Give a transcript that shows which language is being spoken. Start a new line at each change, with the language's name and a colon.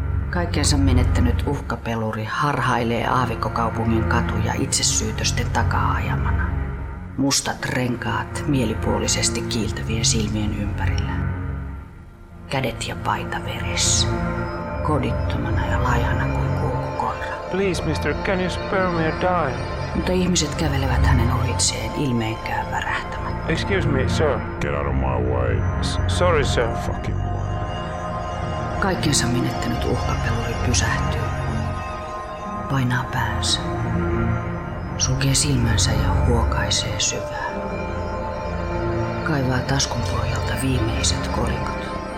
Finnish: Kaikkensa menettänyt uhkapeluri harhailee aavikkokaupungin katuja itsesyytösten taka-ajamana. Mustat renkaat mielipuolisesti kiiltävien silmien ympärillä. Kädet ja paita veressä. Kodittomana ja laihana kuin kuukkukonra.
English: Please, mister, can you spare me a dime?
Finnish: Mutta ihmiset kävelevät hänen ohitseen ilmeenkään värähtämättä.
English: Excuse me, sir. Get out of my way. Sorry, sir. Fucking boy.
Finnish: Kaikkensa menettänyt uhkapeluri pysähtyy. Painaa päänsä. Sulkee silmänsä ja huokaisee syvään. Kaivaa taskun pohjalta viimeiset kolikot.